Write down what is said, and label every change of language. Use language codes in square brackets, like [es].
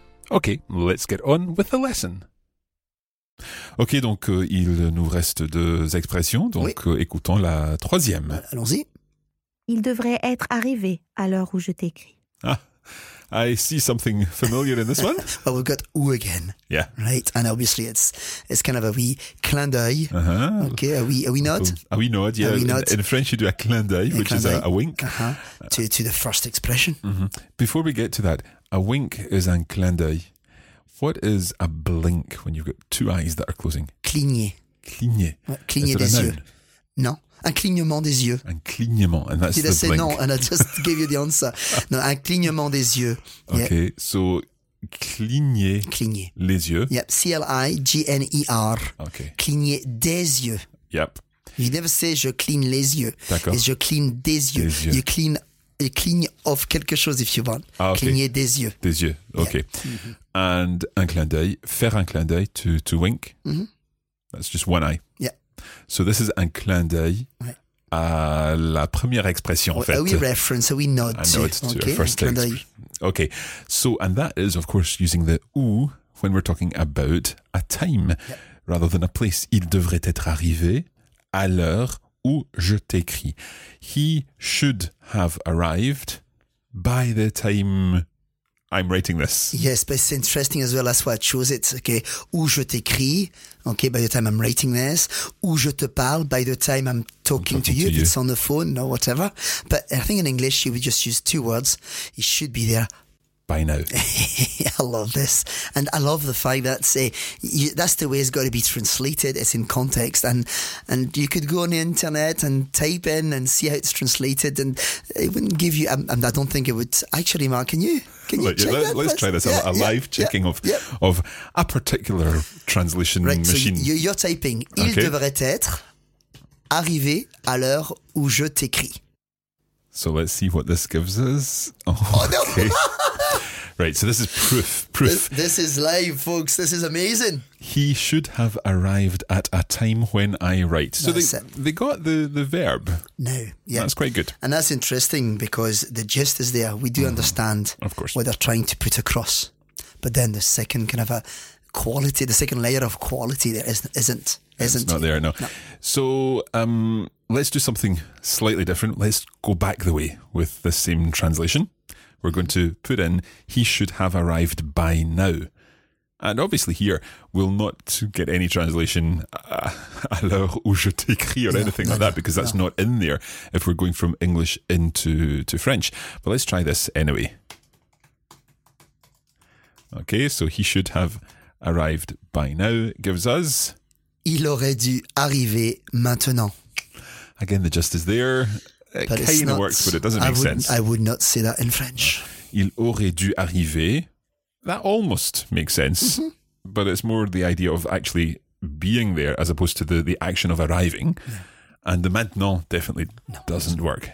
[en] Ok, let's get on with the lesson. [fr] Ok, donc il nous reste deux expressions, donc écoutons la troisième. Allons-y. Il devrait être arrivé à l'heure où je t'écris. Ah. [en] I see something familiar in this one. Well, we've got « ou » again. Yeah. Right? And obviously it's kind of a wee clin d'œil. Uh-huh. Okay, a wee nod. A wee nod, yeah. In French you do a clin d'œil, which is a wink. Uh-huh. To the first expression. Mm-hmm. Before we get to that, a wink is un clin d'œil. What is a blink when you've got two eyes that are closing? [fr] Cligner. Ouais, cligner des yeux. Non. Un clignement des yeux. [en] Un clignement, and that's did the blink. Did I say no, and I just gave you the answer. [fr] No, un clignement des yeux. [en] Yeah. Okay, so [fr] cligner les yeux. [en] Yep, C-L-I-G-N-E-R. Okay. [fr] Cligner des yeux. [en] Yep. You never say [fr] je cligne les yeux. D'accord. [en] It's [fr] je cligne des yeux. Des yeux. [en] You cligne of [fr] quelque chose [en] if you want. Ah, okay. [fr] Cligner des yeux. Des yeux, okay. Mm-hmm. And un clin d'œil, faire un clin d'œil, [en] to wink. Mm-hmm. That's just one eye. Yep. So this is [fr] un clin d'œil à la première expression, en fait. [en] A wee reference, a wee nod. A nod to okay, our first [fr] clin d'œil. [en] Okay, so, and that is, of course, using the ou when we're talking about a time, yep, rather than a place. [fr] Il devrait être arrivé à l'heure ou je t'écris. [en] He should have arrived by the time I'm writing this. Yes, but it's interesting as well. That's why I chose it. Okay, [fr] ou je t'écris. [en] Okay, by the time I'm writing this, [fr] ou je te parle. [en] By the time I'm talking to you, it's on the phone or whatever. But I think in English you would just use two words. He should be there by now. I love this, and I love the fact that that's the way it's got to be translated. It's in context, and you could go on the internet and type in and see how it's translated, and it wouldn't give you. And I don't think it would actually. Mark, can you check that? Let's try this. A live checking of a particular translation machine. So you're typing. Okay. [fr] Il devrait être arrivé à l'heure où je t'écris. [en] So let's see what this gives us. Oh, okay. No. Right, so this is proof. Proof. This is live, folks. This is amazing. He should have arrived at a time when I write. So that's they got the verb. No, yeah. That's quite good. And that's interesting because the gist is there. We do understand of course what they're trying to put across. But then the second kind of a quality, the second layer of quality there isn't. It's not there, no. So let's do something slightly different. Let's go back the way with the same translation. We're going to put in, he should have arrived by now. And obviously here, we'll not get any translation [fr] à l'heure où je t'écris [en] or anything like that, because that's not in there if we're going from English into French. But let's try this anyway. Okay, so he should have arrived by now gives us... [fr] Il aurait dû arriver maintenant. [en] Again, the gist is there. It kind of works, but it doesn't make sense. I would not say that in French. [fr] Il aurait dû arriver. [en] That almost makes sense, but it's more the idea of actually being there as opposed to the action of arriving. Yeah. And the maintenant definitely doesn't work.